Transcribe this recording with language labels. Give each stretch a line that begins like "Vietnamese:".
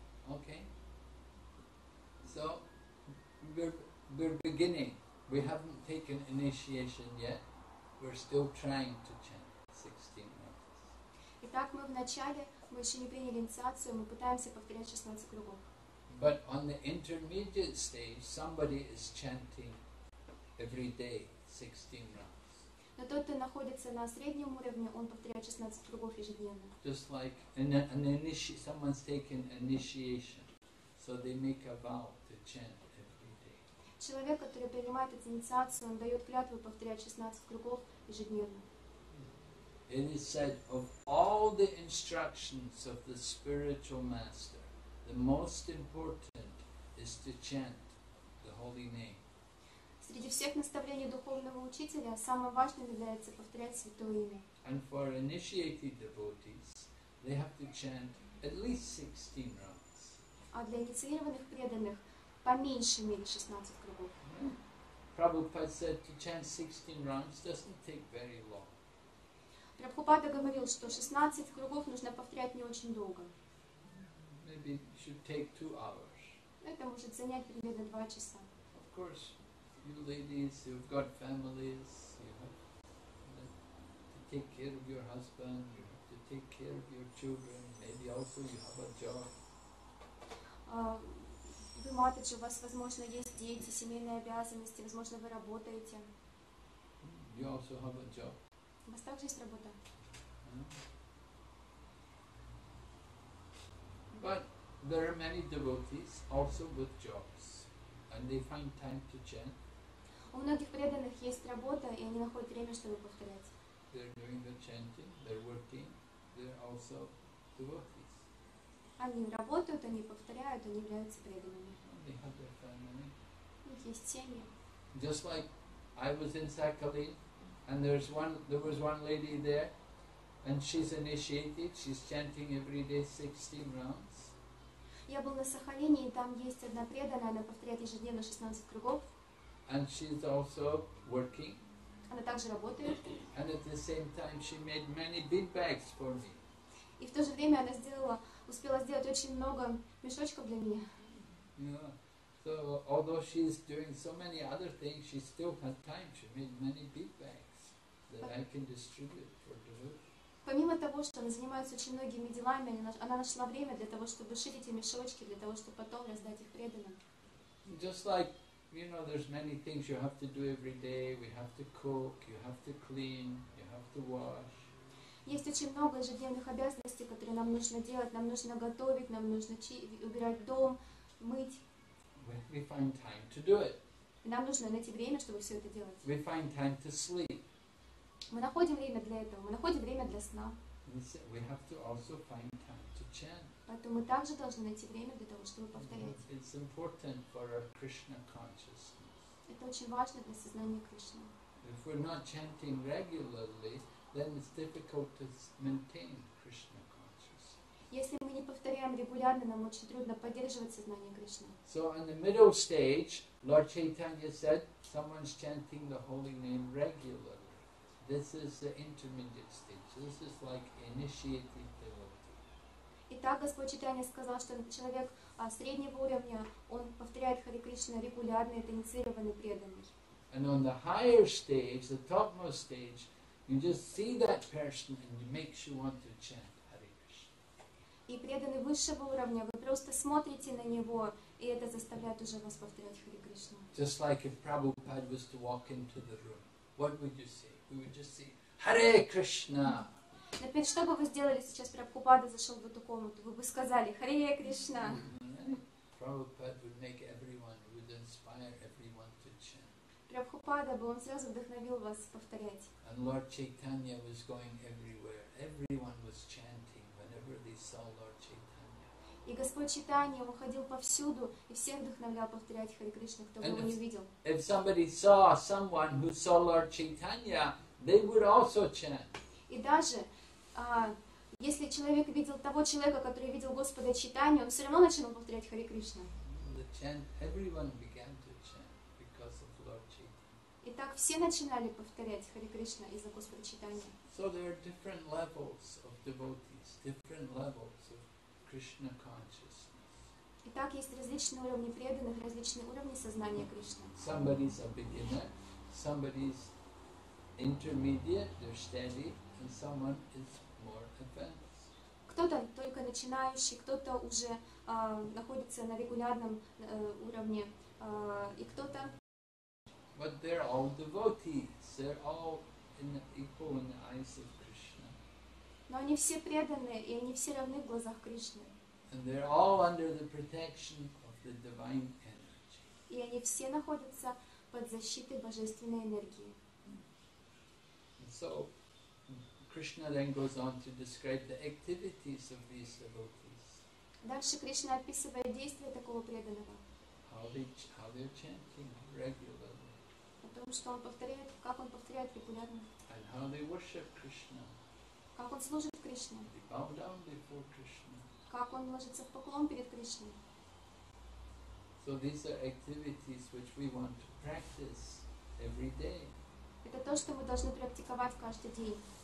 English: Okay, so we're beginning. We haven't taken initiation yet. We're still trying to chant 16 rounds.
Russian: Итак, мы в начале, мы еще не приняли инициацию, мы пытаемся повторять 16 кругов.
English: But on the intermediate stage, somebody is chanting every day 16 rounds.
Russian: Но тот, кто находится на среднем уровне, он повторяет 16 кругов ежедневно.
English: Just like someone's taking initiation. So they make a vow to chant every day.
Russian: Человек, который принимает эту инициацию, он дает клятву повторять 16 кругов ежедневно.
English: It is said of all the instructions of the spiritual master, the most important is to chant the holy name.
Russian: Среди всех наставлений духовного учителя самым важным является повторять святое имя.
English: And for initiated devotees, they have to chant at least 16 rounds.
Russian: А для инициированных преданных по меньшей мере 16 кругов.
English: Prabhupada said to chant 16 rounds doesn't take very long.
Russian: Прабхупада говорил, что 16 кругов нужно повторять не очень долго.
English: Maybe it should take 2 hours.
Russian: Это может занять примерно 2 часа.
English: Of course, you ladies, you've got families, you have take care of your husband, you have to take care of your children, maybe also you have a job.
Russian: Вы мать, у вас, возможно, есть дети, семейные обязанности, возможно, вы работаете.
English: You also have a job.
Russian: У вас также есть работа?
English: But there are many devotees also with jobs, and they find time to chant.
Russian: У многих преданных есть работа, и они находят время, чтобы повторять.
English: They're doing the chanting, they're working, they're also devotees.
Russian: Они работают, они повторяют, они являются преданными.
English: They have their family.
Russian: У них есть семьи.
English: Just like I was in Sakhalin, and there was one lady there, and she's initiated, she's chanting every day 16 rounds.
Russian: Я был на Сахалине, и там есть одна преданная, она повторяет ежедневно 16 кругов.
English: And she's also working.
Russian: Она также работает.
English: And at the same time, she made many big bags for me.
Russian: И в то же время она успела сделать очень много мешочков для меня.
English: Yeah. So although she's doing so many other things, she still has time. She made many big bags that I can distribute for the work.
Russian: Помимо того, что она занимается очень многими делами, она нашла время для того, чтобы шить эти мешочки, для того, чтобы потом раздать их преданным.
English: Just like, you know, there's many things you have to do every day. We have to cook, you have to clean, you have to wash.
Russian: Есть очень много ежедневных обязанностей, которые нам нужно делать. Нам нужно готовить, нам нужно убирать дом, мыть.
English: We find time to do it.
Russian: Нам нужно найти время, чтобы все это делать.
English: We find time to sleep.
Russian: Мы находим время для этого. Мы находим время для сна.
English: We have to also find time to chant.
Russian: Поэтому мы также должны найти время для того, чтобы повторять.
English: It's important for our Krishna consciousness.
Russian: Это очень важно для сознания Кришны.
English: If we're not chanting regularly, then it's difficult to maintain Krishna consciousness.
Russian: Если мы не повторяем регулярно, нам очень трудно поддерживать сознание Кришны.
English: So in the middle stage, Lord Chaitanya said, someone's chanting the holy name regularly. This is the intermediate stage. This is like initiated devotee.
Russian: Итак, Господь Читания сказал, что человек среднего уровня, он повторяет Хари Кришна регулярно, это инициированный преданный.
English: And on the higher stage, the topmost stage, you just see that person and it makes you want to chant Hare Krishna.
Russian: И преданный высшего уровня, вы просто смотрите на него, и это заставляет уже вас повторять Хари Кришна.
English: Just like if Prabhupada was to walk into the room, what would you say? We would just say, Hare Krishna.
Russian: Например, что бы вы сделали сейчас, Прабхупада зашел в эту комнату? Вы бы сказали, Hare Krishna.
English: Prabhupada would make everyone, would inspire everyone to chant.
Russian: Прабхупада бы, он сразу вдохновил вас повторять.
English: And Lord Chaitanya was going everywhere. Everyone was chanting whenever they saw Lord Chaitanya.
Russian: И Господь Читания уходил повсюду и всех вдохновлял повторять Хари Кришна, кто бы его не видел.
English: If somebody saw someone who saw Lord Chaitanya, they would also chant.
Russian: И даже если человек видел того человека, который видел Господа Читания, он все равно начинал повторять Хари Кришна.
English: The chant, everyone began to chant because of Lord Chaitanya.
Russian: И так все начинали повторять Хари Кришна из-за Господа Читания.
English: So there are different levels of devotees, different levels of Krishna consciousness.
Russian: Итак, есть различные уровни преданных, различные уровни сознания Кришны.
English: Somebody's a beginner, somebody's intermediate, they're steady, and someone is more advanced.
Russian: Кто-то только начинающий, кто-то уже находится на регулярном уровне, и кто-то.
English: But they're all devotees. They're all equal in the eyes of Krishna.
Russian: Но они все преданные, и они все равны в глазах Кришны.
English: And they're all under the protection of the divine energy.
Russian: И они все находятся под защитой божественной энергии.
English: So Krishna then goes on to describe the activities of these devotees.
Russian: Дальше Кришна описывает действия такого преданного.
English: How they're chanting regularly.
Russian: О том, что он повторяет, как он повторяет регулярно.
English: And how they worship Krishna.
Russian: Как он служит Кришне.
English: They bow down before Krishna.
Russian: Как он ложится в поклон перед Кришной.
English: So these are activities which we want to practice every day.
Russian: Это то, что мы должны практиковать каждый день.